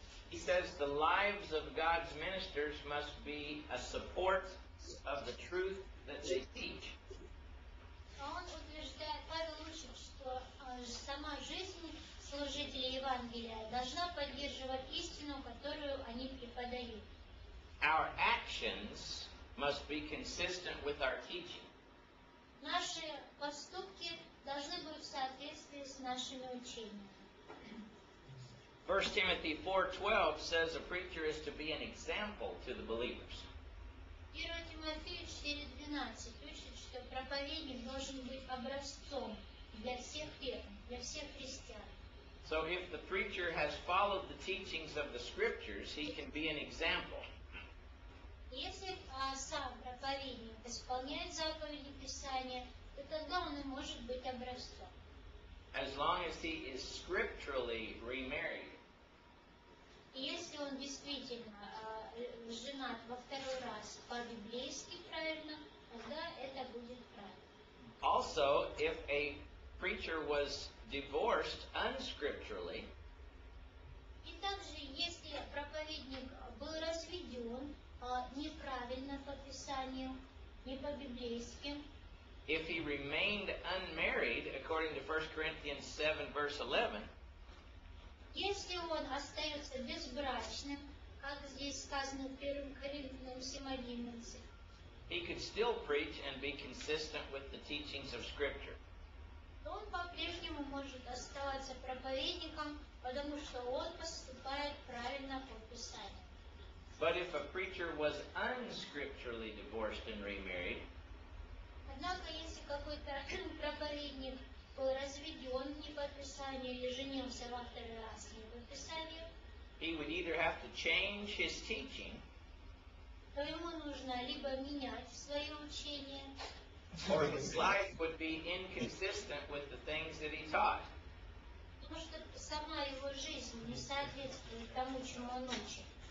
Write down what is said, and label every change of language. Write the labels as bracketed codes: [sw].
[en] He says the lives of God's ministers must be a support of the truth that they teach. [ru] Он утверждает, Павел учит, что сама жизнь служителей Евангелия должна поддерживать истину, которую они преподают. [en] Our actions must be consistent with our teaching. [ru] Наши поступки должны быть в соответствии с нашими учениями. [en] 1 Timothy 4:12 says a preacher is to be an example to the believers. [ru] 1 Тимофею 4:12 учит, что проповедник должен быть образцом для всех верных, для всех христиан. [en] So if the preacher has followed the teachings of the scriptures, he can be an example. [ru] Если сам проповедник исполняет заповеди Писания, то тогда он и может быть образцом. [en] as long as he is scripturally remarried. [ru] Если он действительно женат во второй раз по-библейски правильно, тогда это будет правильно. [en] Also, if a preacher was divorced unscripturally, [ru] и также, если проповедник был разведен неправильно по Писанию, не по-библейски, [en] if he remained unmarried, according to 1 Corinthians 7, verse 11, [ru] если он остается безбрачным, как здесь сказано в 1 Коринфянам 7:11, [en] he could still preach and be consistent with the teachings of Scripture. [ru] Он по-прежнему может оставаться проповедником, потому что он поступает правильно по Писанию. [en] But if a preacher was unscripturally divorced and remarried, [ru] однако если какой-то проповедник был разведен не по Писанию или женился во второй раз не по Писанию, [en] he would either have to change his teaching, [ru] то ему нужно либо менять свое учение, [en] or his life would be inconsistent with the things that he taught. [ru] Потому что сама его жизнь не соответствует тому, чему он учит.